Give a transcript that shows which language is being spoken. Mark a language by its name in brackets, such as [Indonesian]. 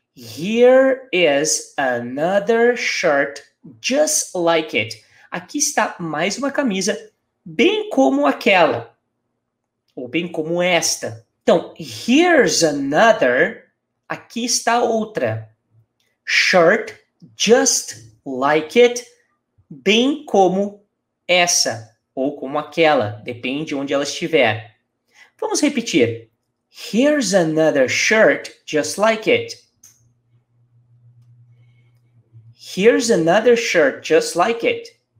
[English] Here is another shirt just like it. [Portuguese] Aqui está mais uma camisa bem como aquela. Ou bem como esta. Então, [English] here's another. [Portuguese] Aqui está outra. [English] Shirt just like it. [Portuguese] Bem como essa. Ou como aquela. Depende onde ela estiver. Vamos repetir. [English] Here's another shirt just like it. Here's another shirt just like it.